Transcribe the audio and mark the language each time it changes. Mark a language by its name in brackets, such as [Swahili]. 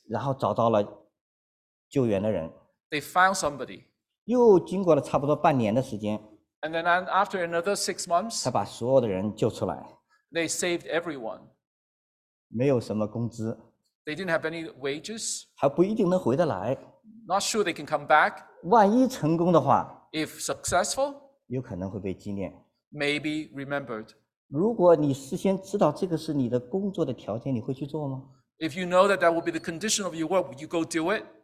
[Chinese] 然后找到了救援的人 [English] ，they found somebody. [Chinese] 又经过了差不多半年的时间 [English] ，and then after another 6 months, [Chinese] 他把所有的人救出来 [English] ，they saved everyone. [Chinese] 没有什么工资 [English] ，they didn't have any wages. [Chinese] 还不一定能回得来 [English] ，not sure they can come back. [Chinese] 万一成功的话 [English] ，if successful, [Chinese] 有可能会被纪念 [English] ，maybe remembered. [Chinese] 如果你事先知道这个是你的工作的条件，你会去做吗 [English] ？If you know that will be the condition of your work, would you go do it?